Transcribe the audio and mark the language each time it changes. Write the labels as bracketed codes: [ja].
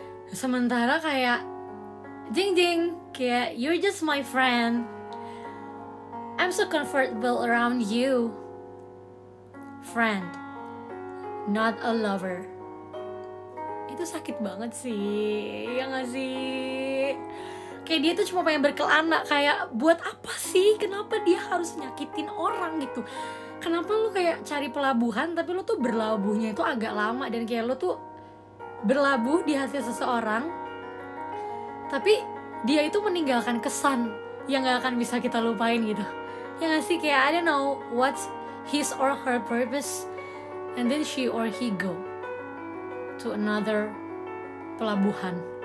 [id] Sementara kayak jing-jing, kayak [en] you're just my friend, I'm so comfortable around you, friend, not a lover. [id] Itu sakit banget sih, ya gak sih? Kayak dia tuh cuma pengen berkelana, kayak buat apa sih? Kenapa dia harus nyakitin orang gitu? Kenapa lu kayak cari pelabuhan tapi lu tuh berlabuhnya itu agak lama, dan kayak lu tuh berlabuh di hati seseorang tapi dia itu meninggalkan kesan yang gak akan bisa kita lupain gitu, ya gak sih? [en] Kayak I don't know what's his or her purpose, and then she or he go to another pelabuhan.